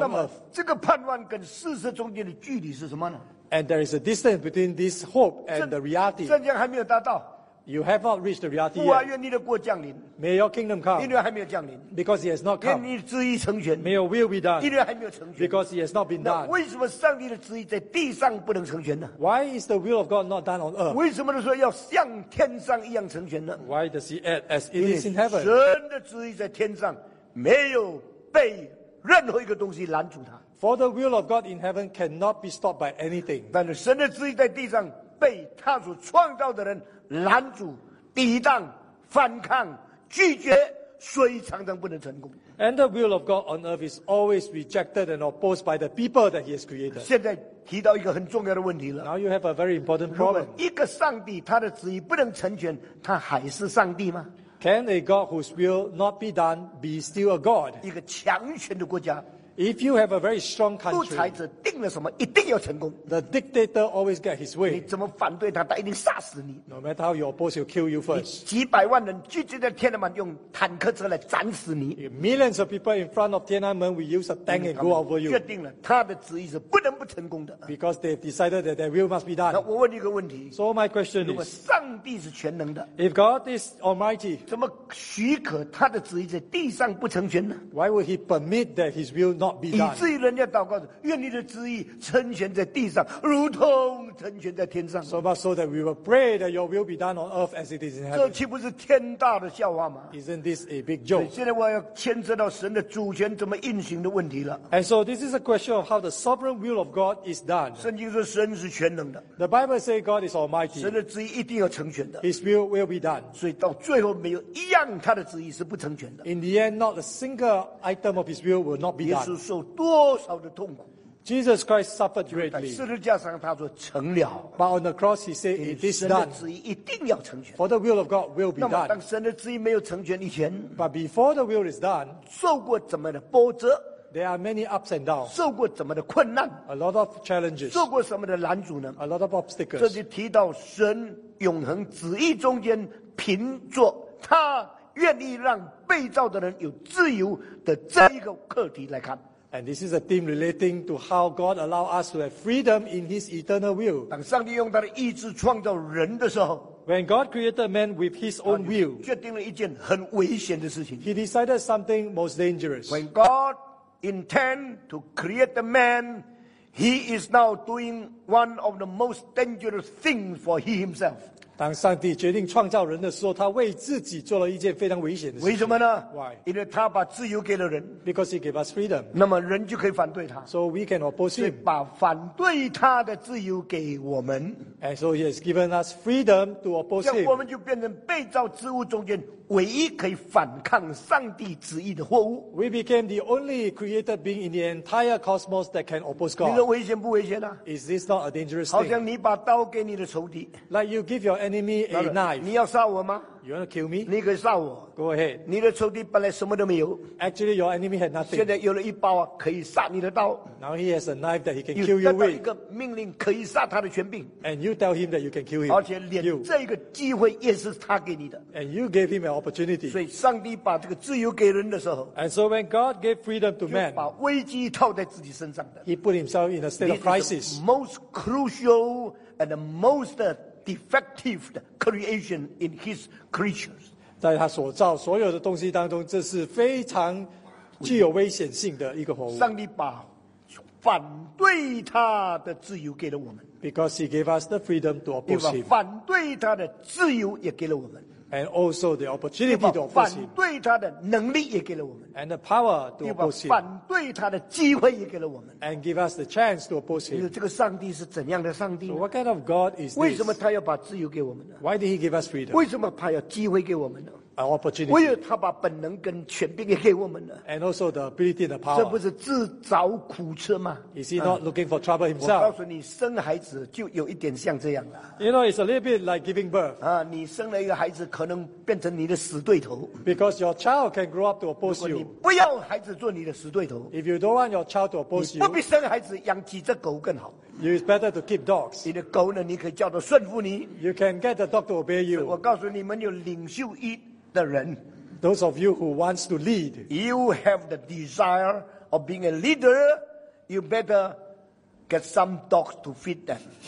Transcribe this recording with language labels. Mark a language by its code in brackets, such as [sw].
[zh] 那么这个盼望跟事实中间的距离是什么呢 [en] And there is a distance between this hope and the reality. [zh] 圣经还没有达到。 [en] You have not reached the reality yet. [zh] 父啊，愿你的国降临。 [en] May your kingdom come. [zh] 因为还没有降临。 [en] Because it has not come. [zh] 愿你的旨意成全。 [en] May your will be done. [zh] 因为还没有成全。 [en] Because it has not been done. [zh] 那为什么上帝的旨意在地上不能成全呢 [en] ？Why is the will of God not done on earth? [zh] 为什么说要像天上一样成全呢 [en] ？Why does He act as it is in heaven? [zh] 神的旨意在天上没有被任何一个东西拦阻他。 [en] For the will of God in heaven cannot be stopped by anything. [zh] 但是神的旨意在地上被他所创造的人拦阻、抵挡、反抗、拒绝，所以常常不能成功。 [en] And the will of God on earth is always rejected and opposed by the people that He has created. [zh] 现在提到一个很重要的问题了。 [en] Now you have a very important problem. [zh] 如果一个上帝他的旨意不能成全，他还是上帝吗？ [en] Can a God whose will not be done be still a God? [zh] 一个强权的国家。 [en] If you have a very strong country, [zh] 独裁者、定了什么，一定要成功。 [en] The dictator always get his way. [zh] 你怎么反对他，他一定杀死你。 [en] No matter how your boss will kill you first. [zh] 几百万人聚集在天安门，用坦克车来斩死你。 [en] Millions of people in front of Tiananmen, we use a tank and go over you. [zh] 决定了，他的旨意是不能不成功的。 [en] Because they decided that their will must be done. [zh] 那我问你一个问题。 [en] So my question is, [zh] 如果上帝是全能的 [en] ，If God is Almighty, [zh] 怎么许可他的旨意在地上不成全呢 [en] ？Why would He permit that His will not be done? [zh] 以至于人家祷告说，愿你的旨意成全在地上，如同成全在天上。 [en] So that we will pray that Your will be done on earth as it is in heaven. [zh] 这岂不是天大的笑话吗 [en] ？Isn't this a big joke? [zh] 现在我要牵扯到神的主权怎么运行的问题了。 [en] And so this is a question of how the sovereign will of God is done. [zh] 圣经说神是全能的。 [en] The Bible says God is Almighty. [zh] 神的旨意一定要成全的。 [en] His will be done. [zh] 所以到最后没有一样他的旨意是不成全的。 [en] In the end, not a single item of His will not be done. [zh] 耶稣受多少的痛苦。 [en] Jesus Christ suffered greatly. [zh] 在十字架上他说成了。 [en] But on the cross he said it is done. [zh] 神的旨意一定要成全。 [en] For the will of God will be done. [zh] 那么当神的旨意没有成全以前。 [en] But before the will is done. [zh] 受过怎么的波折。 [en] There are many ups and downs. [zh] 受过怎么的困难。 [en] A lot of challenges. [zh] 受过什么的拦阻呢。 [en] A lot of obstacles. [zh] 这就提到神永恒旨意中间凭着他愿意让被造的人有自由的这一个课题来看。 [en] And this is a theme relating to how God allows us to have freedom in His eternal will. [zh] 当上帝用他的意志创造人的时候 [en] ，When God created man with His own will, [zh] 决定了一件很危险的事情。 [en] He decided something most dangerous. When God intended to create the man, He is now doing one of the most dangerous things for He Himself. [zh] 当上帝决定创造人的时候，他为自己做了一件非常危险的事情。为什么呢 [en] ？Why？ [zh] 因为他把自由给了人。 [en] Because he gave us freedom. [zh] 那么人就可以反对他。 [en] So we can oppose him. [zh] 把反对他的自由给我们。 [en] And so he has given us freedom to oppose him. [zh] 这样我们就变成被造之物中间唯一可以反抗上帝旨意的货物。 [en] We became the only created being in the entire cosmos that can oppose God. [zh] 你说危险不危险呢 [en] ？Is this not a dangerous thing？ [zh] 好像你把刀给你的仇敌。 [en] Like you give your enemy a knife. [zh] 你要杀我吗 [en] ？You want to kill me？ [zh] 你可以杀我。 [en] Go ahead. [zh] 你的仇敌本来什么都没有。 [en] Actually, your enemy had nothing. [zh] 现在有了一把可以杀你的刀。 [en] Now he has a knife that he can kill you with. [zh] 得到一个命令可以杀他的权柄。 [en] And you tell him that you can kill him. [zh] 而且连这个机会也是他给你的。 [en] And you gave him an opportunity. [zh] 所以上帝把这个自由给人的时候 [en] ，And so when God gave freedom to man， [zh] 就把危机套在自己身上的。 [en] He put himself in a state of crisis. This is the most crucial and the most defective creation in His creatures. [zh] 在他所造所有的东西当中，这是非常具有危险性的一个活物。上帝把反对他的自由给了我们 [en] ，Because He gave us the freedom to oppose Him. [zh] 又把反对他的自由也给了我们。 [en] And also the opportunity to oppose him. [zh] 反对他的能力也给了我们。 [en] And the power to oppose him. [zh] 反对他的机会也给了我们。 [en] And give us the chance to oppose him. [zh] 这个上帝是怎样的上帝 [en] ？So what kind of God is this? [zh] 为什么他要把自由给我们呢 [en] ？Why did he give us freedom? [zh] 为什么他要机会给我们呢 [en] ？An opportunity. [zh] 为什么他把本能跟权柄也给我们呢 [en] ？And also the ability and the power. [zh] 这不是自找苦吃吗 [en] ？Is he not looking for trouble himself? [zh] 我告诉你，生孩子就有一点像这样了。 [en] You know, it's a little bit like giving birth. [zh] 你生了一个孩子。可能变成你的死对头。 [en] Because your child can grow up to oppose you. [zh] 如果你不要孩子做你的死对头。 [en] If you don't want your child to oppose you. [zh] 你不必生孩子，养几只狗更好。 [en] It's better to keep dogs. [zh] 你的狗呢，你可以叫它顺服你。 [en] You can get the dog to obey you. [zh] 我告诉你们，有领袖一的人。 [en] Those of you who wants to lead. You have the desire of being a leader. You better get some dogs to feed them.